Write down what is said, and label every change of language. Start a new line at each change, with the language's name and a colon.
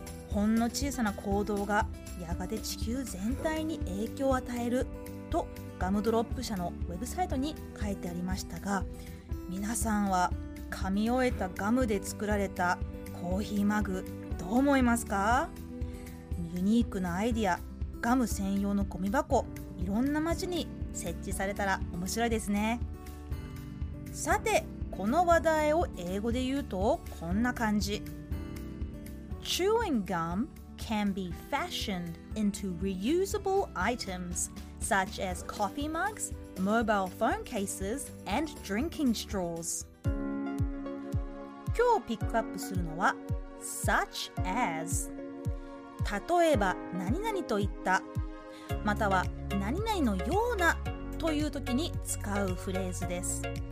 Japanese: ほんの小さな行動がやがて地球全体に影響を与えるとガムドロップ社のウェブサイトに書いてありましたが、皆さんは噛み終えたガムで作られたコーヒーマグどう思いますか？ユニークなアイディア、ガム専用のゴミ箱、いろんな街に設置されたら面白いですね。さて、この話題を英語で言うとこんな感じ。
English: Chewing gum can be fashioned into reusable items such as coffee mugs, mobile phone cases, and drinking straws.
Japanese: 今日ピックアップするのは such as、 例えば何々といった、または何々のようなという時に使うフレーズです。